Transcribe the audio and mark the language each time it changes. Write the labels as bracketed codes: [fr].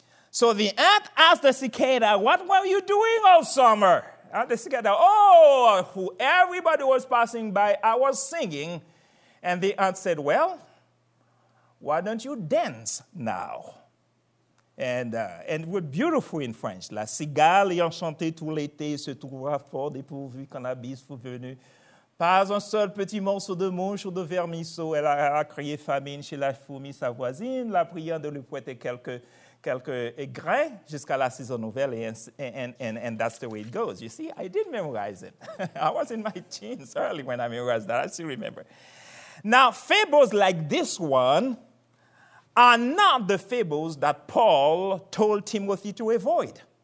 [en] So the ant asked the cicada, "What were you doing all summer?" And the cicada, everybody was passing by, I was singing. And the ant said, "Well, why don't you dance now?" And it was beautiful in French. [fr] La cigale enchantée tout l'été se trouva fort dépourvu quand la bise fut venue. Pas un seul petit morceau de mouche ou de vermisseau. Elle a crié famine chez la fourmi, sa voisine, la priant de lui prêter quelques grains jusqu'à la saison nouvelle. [en] And that's the way it goes. You see, I did memorize it. I was in my teens early when I memorized that. I still remember. Now, fables like this one are not the fables that Paul told Timothy to avoid.